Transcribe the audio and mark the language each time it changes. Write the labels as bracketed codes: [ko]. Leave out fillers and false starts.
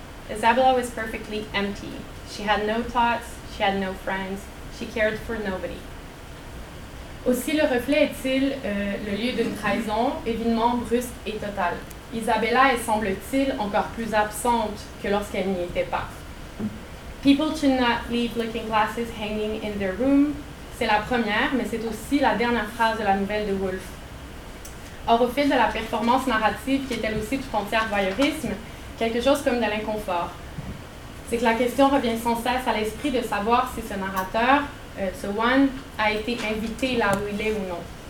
[en] Isabella was perfectly empty. She had no thoughts, she had no friends, she cared for nobody. [fr] Aussi, le reflet est-il le lieu d'une trahison, évidemment brusque et totale. Isabella est, semble-t-il, encore plus absente que lorsqu'elle n'y était pas. [en] People should not leave looking glasses hanging in their room. [fr] C'est la première, mais c'est aussi la dernière phrase de la nouvelle de Woolf. Or, au fil de la performance narrative, qui est elle aussi tout entière voyeurisme, quelque chose comme de l'inconfort. C'est que la question revient sans cesse à l'esprit de savoir si ce narrateur, ce one, a été invité là où il est ou non.